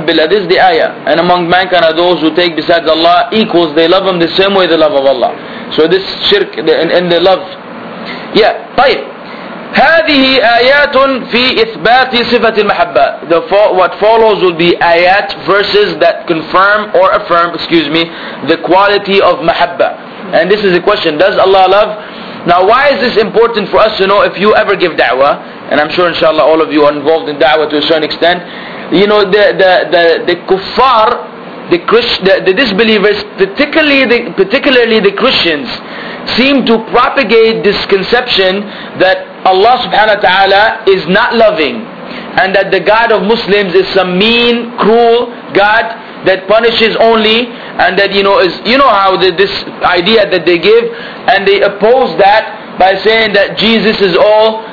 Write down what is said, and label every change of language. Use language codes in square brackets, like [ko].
[en] This is the ayah. And among mankind are those who take besides Allah equals. They love Him the same way they love of Allah. So this shirk in the love. Yeah, طيب. [ar] هذه آيات في إثبات صفة المحبة. [en] What follows will be آيات, verses that confirm or affirm, excuse me, the quality of محبة. And this is a question, does Allah love? Now why is this important for us to know if you ever give da'wah? And I'm sure inshallah all of you are involved in da'wah to a certain extent. You know, the kuffar, the disbelievers, particularly the Christians, seem to propagate this conception that Allah subhanahu wa ta'ala is not loving, and that the God of Muslims is some mean, cruel God that punishes only, and that, you know, is, you know how this idea that they give, and they oppose that by saying that Jesus is all